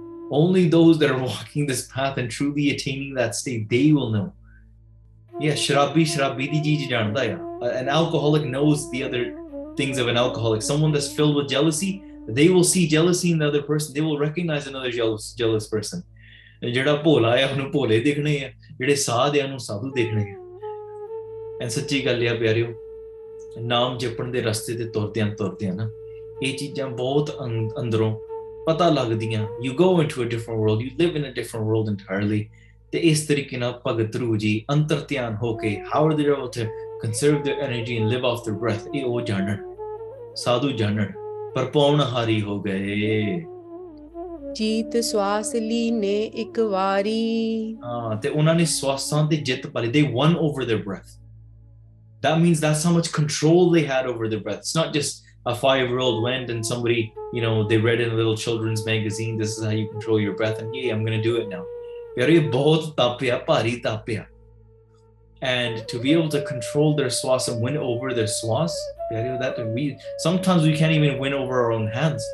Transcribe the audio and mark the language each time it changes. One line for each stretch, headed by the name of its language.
English: Only those that are walking this path and truly attaining that state, they will know. Yeah,
Punjabi: sharabi sharabi di ji janda ya.
English: An alcoholic knows the other things of an alcoholic. Someone that's filled with jealousy, they will see jealousy in the other person. They will recognize another jealous person.
Punjabi: ਜਿਹੜਾ ਭੋਲਾ ਆ ਉਹਨੂੰ ਭੋਲੇ ਦੇਖਣੇ ਆ, ਜਿਹੜੇ ਸਾਧ ਆ ਉਹਨੂੰ ਸਾਧੂ ਦੇਖਣੇ ਆ। ਐਂਡ ਸੱਚੀ ਗੱਲ ਆ ਪਿਆਰਿਓ, ਨਾਮ ਜਪਣ ਦੇ ਰਸਤੇ ਤੇ ਤੁਰਦਿਆਂ ਤੁਰਦਿਆਂ ਨਾ, ਇਹ ਚੀਜ਼ਾਂ ਬਹੁਤ ਅੰਦਰੋਂ ਪਤਾ ਲੱਗਦੀਆਂ।
English: You go into a different world, you live in a different world entirely.
Punjabi: ਤੇ ਇਸ ਤਰੀਕੇ ਨਾਲ ਭਗਤ ਧਰੂ ਜੀ ਅੰਤਰ ਧਿਆਨ ਹੋ ਕੇ, ਹਾਵੜ ਦੇ ਉੱਥੇ
English: conserve their energy and live off their breath,
Punjabi: ਇਹ ਉਹ ਜਾਣਨ, ਸਾਧੂ ਜਾਣਨ, ਪਰ ਪੌਣ ਹਾਰੀ ਹੋ ਗਏ। ਜੀਤ ਸਵਾਸ ਲੀਨੇ ਇੱਕ ਵਾਰੀ, ਹਾਂ, ਤੇ ਉਹਨਾਂ ਨੇ ਸਵਾਸਾਂ ਤੇ ਜਿੱਤ ਪਾ ਲਈ,
English: they won over their breath, That means that's how much control they had over their breath. It's not just a five-year-old went and somebody, you know, they read in a little children's magazine, this is how you control your breath, and yay, I'm going to do it now. And to be able to control their swas and win over their swas, sometimes we can't even win over our own hands.